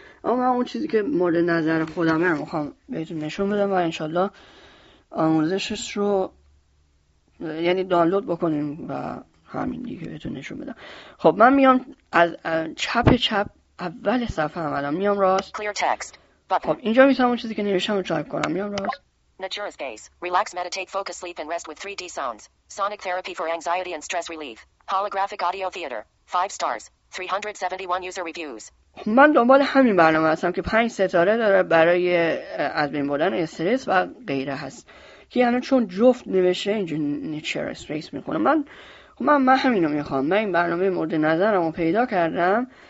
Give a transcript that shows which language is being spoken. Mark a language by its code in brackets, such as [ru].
[fa] اما من اون چیزی که مورد نظر خودمه رو میخوام بهتون نشون بدم و انشالله آموزشش رو یعنی دانلود بکنیم و همین دیگه بهتون نشون بدم. خب من میام از چپ چپ اول صفحه هم الان میام راست. [en] Clear text. [fa] خب اینجا میتونم اون چیزی که نوشتم رو تایپ کنم. میام راست. [en] Nature space. Relax, meditate, focus, sleep and rest with 3D sounds. Sonic therapy for anxiety and stress relief. Holographic audio theater. 5 stars. 371 user reviews. [fa] من دنبال همین برنامه هستم که 5 ستاره داره برای از بین بردن استرس و غیره هست. که یعنی چون جفت نوشته اینجا Nature space میخونه. من همینو میخوام. من این برنامه مورد نظرم رو پیدا کردم.